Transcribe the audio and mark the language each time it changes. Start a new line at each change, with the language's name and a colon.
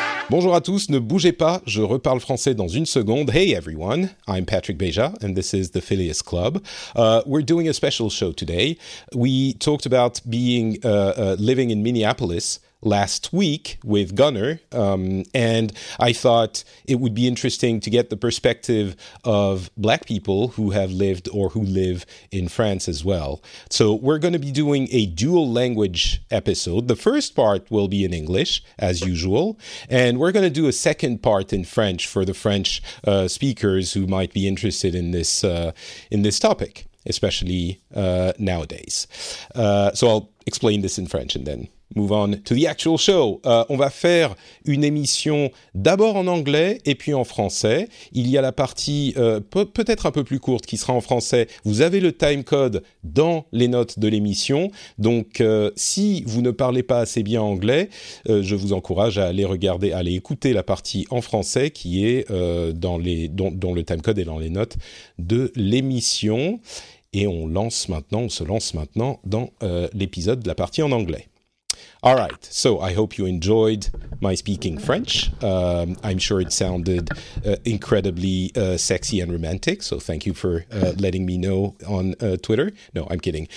French: Bonjour à tous, ne bougez pas, je reparle français dans une seconde.
English: Hey everyone, I'm Patrick Beja and this is the Phileas Club. We're doing a special show today. We talked about being living in Minneapolis last week with Gunnar, and I thought it would be interesting to get the perspective of Black people who have lived or who live in France as well. So we're going to be doing a dual language episode. The first part will be in English, as usual, and we're going to do a second part in French for the French speakers who might be interested in this topic, especially nowadays. So I'll explain this in French and then move on to the actual show.
French: On va faire une émission d'abord en anglais et puis en français. Il y a la partie peut-être un peu plus courte qui sera en français. Vous avez le time code dans les notes de l'émission. Donc, si vous ne parlez pas assez bien anglais, je vous encourage à aller regarder, à aller écouter la partie en français qui est dont le time code est dans les notes de l'émission. Et on se lance maintenant dans l'épisode de la partie en anglais.
English: All right, so I hope you enjoyed my speaking French. I'm sure it sounded incredibly sexy and romantic, so thank you for letting me know on Twitter. No, I'm kidding.